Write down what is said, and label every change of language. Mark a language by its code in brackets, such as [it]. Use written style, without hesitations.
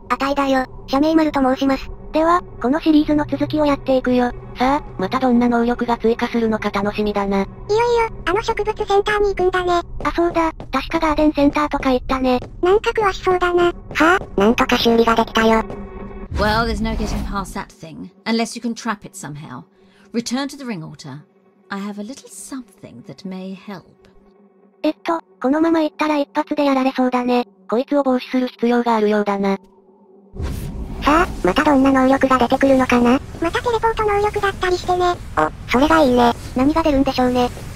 [ja] アタイだよ。社名マルと申します。では、このシリーズの続きをやっていくよ。さあ、またどんな能力が追加するのか楽しみだな。いよいよ、あの植物センターに行くんだね。あ、そうだ。確かガーデンセンターとか行ったね。なんか詳しそうだな。はあ、なんとか修理ができたよ。 [en] Well, there's no getting past that thing, unless you can trap it somehow. Return to the ring altar. I have a little something that may help. [ja] このまま行ったら一発でやられそうだね。こいつを防止する必要があるようだな。さあ、またどんな能力が出てくるのかな。またテレポート能力だったりしてね。お、それがいいね。何が出るんでしょうね。